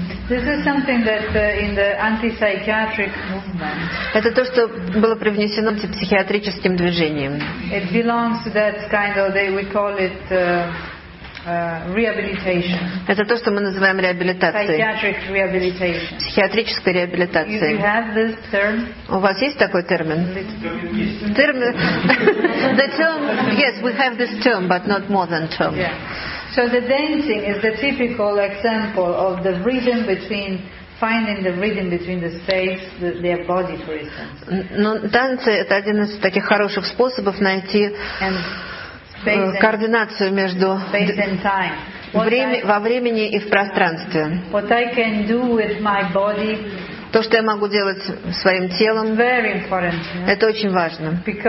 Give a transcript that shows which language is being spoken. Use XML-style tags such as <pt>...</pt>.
<en>This is something that in the anti-psychiatric movement.</en> <ru>Это то, что было привнесено антипсихиатрическим движением.</ru> <en>It belongs to that kind of they we call it rehabilitation.</en> <ru>Это то, что мы называем реабилитацией.</ru> <en>Psychiatric rehabilitation.</en> <ru>Психиатрической реабилитацией.</ru> <en>You have this term?</en> <ru>У вас есть такой термин? Термин.</ru> <en>The term. Yes, we have this term, but not more than term. Yeah. So the dancing is the typical example of the rhythm between finding the rhythm between the space, their body, for instance.</en> <ru>Но танцы это один из таких хороших способов найти координацию между во времени и в пространстве.</ru> <en>What I can do with my body.</en> <ru>То, что я могу делать своим телом, это очень важно.</ru>